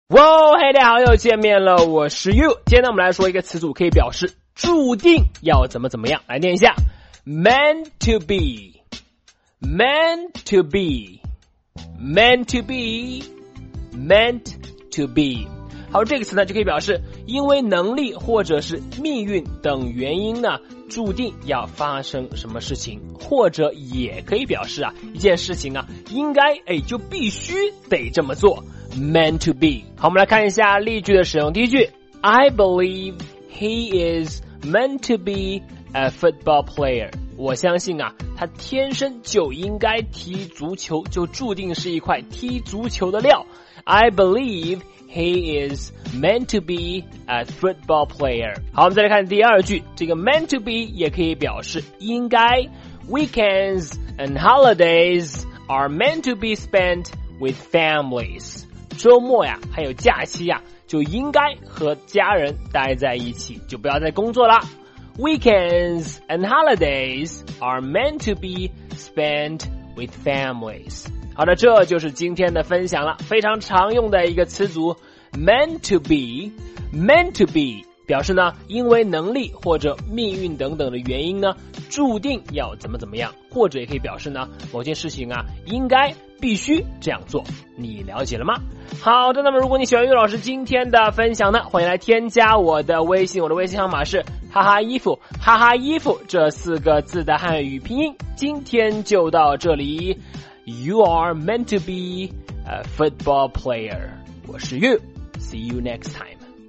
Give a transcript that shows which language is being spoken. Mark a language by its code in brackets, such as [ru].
[zh] 哇嘿，大家好，又见面了，我是 You。今天呢，我们来说一个词组，可以表示注定要怎么怎么样。 [en] 来念一下 meant to be meant to be meant to be meant to be。 [zh] 好，这个词呢就可以表示因为能力或者是命运等原因呢，注定要发生什么事情，或者也可以表示啊，一件事情啊，应该就必须得这么做。 [en] Meant to be。 [zh] 好，我们来看一下例句的使用。 [en] 第一句， I believe he is meant to be a football player。 [zh] 我相信啊，他天生就应该踢足球，就注定是一块踢足球的料。 [en] I believe he is meant to be a football player。 [zh] 好，我们再来看第二句，这个 meant to be 也可以表示应该。 [en] Weekends and holidays are meant to be spent with families。 [zh] 周末呀还有假期呀，就应该和家人待在一起，就不要再工作了。 [en] Weekends and holidays are meant to be spent with families。 [zh] 好的，这就是今天的分享了，非常常用的一个词组 meant to be。 meant to be 表示呢，因为能力或者命运等等的原因呢，注定要怎么怎么样，或者也可以表示呢，某件事情啊应该必须这样做，你了解了吗？好的，那么如果你喜欢于老师今天的分享呢，欢迎来添加我的微信，我的微信号码是哈哈衣服，哈哈衣服这四个字的汉语拼音。 [en] 今天就到这里， You are meant to be a football player。我是 You， See you next time。